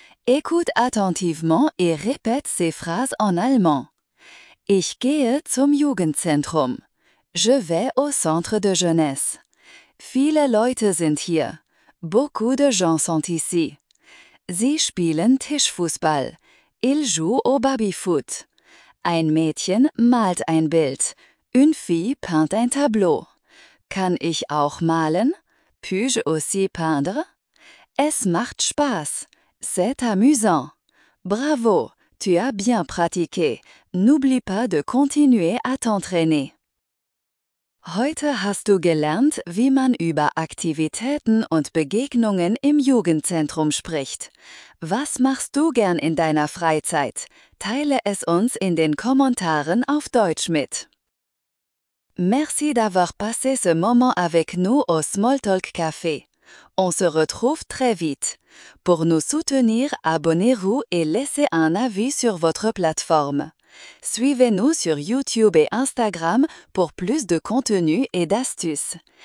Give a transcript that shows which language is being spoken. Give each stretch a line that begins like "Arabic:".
French: Écoute attentivement et répète ces phrases en allemand.
German: Ich gehe zum Jugendzentrum.
French: Je vais au centre de jeunesse.
German: Viele Leute sind hier.
French: Beaucoup de gens sont ici.
German: Sie spielen Tischfußball.
French: Ils jouent au baby-foot.
German: Ein Mädchen malt ein Bild.
French: Une fille peint un tableau.
German: Kann ich auch malen?
French: Puis-je aussi peindre?
German: Es macht Spaß.
French: C'est amusant. Bravo, tu as bien pratiqué. N'oublie pas de continuer à t'entraîner.
German: Heute hast du gelernt, wie man über Aktivitäten und Begegnungen im Jugendzentrum spricht. Was machst du gern in deiner Freizeit? Teile es uns in den Kommentaren auf Deutsch mit.
French: Merci d'avoir passé ce moment avec nous au Smalltalk Café. On se retrouve très vite. Pour nous soutenir, abonnez-vous et laissez un avis sur votre plateforme. Suivez-nous sur YouTube et Instagram pour plus de contenu et d'astuces.